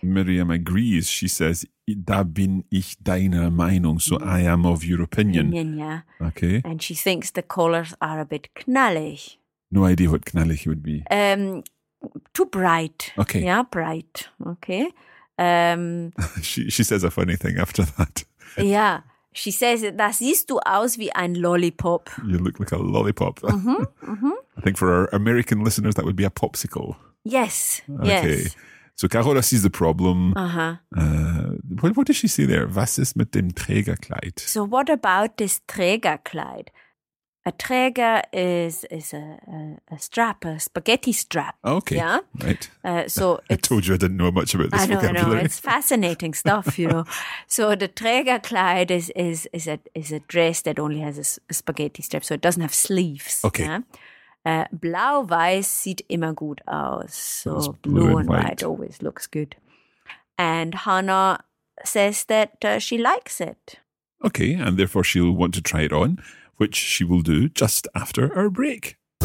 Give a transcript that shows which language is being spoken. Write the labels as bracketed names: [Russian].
[English] Miriam agrees. She says, [German] da bin ich deiner Meinung. [English] So I am of your opinion. Yeah. Okay. And she thinks the colours are a bit knallig. No idea what knallig would be. Too bright. Okay. Yeah, bright. Okay. she says a funny thing after that. Yeah. She says, [German] das siehst du aus wie ein Lollipop. [English] You look like a lollipop. Mm-hmm. I think for our American listeners, that would be a popsicle. Yes. Okay. Yes. So Carola sees the problem. Uh-huh. What does she see there? [German] Was ist mit dem Trägerkleid? [English] So what about this Trägerkleid? A Träger is a strap, a spaghetti strap. Okay. Yeah. Right. So I told you I didn't know much about this vocabulary. I know. It's fascinating stuff, you know. So the Trägerkleid is a dress that only has a spaghetti strap, so it doesn't have sleeves. Okay. Yeah? [German] Blau-weiß sieht immer gut aus. [English] So blue and white always looks good. And Hannah says that she likes it. Okay, and therefore she'll want to try it on. Which she will do just after our break.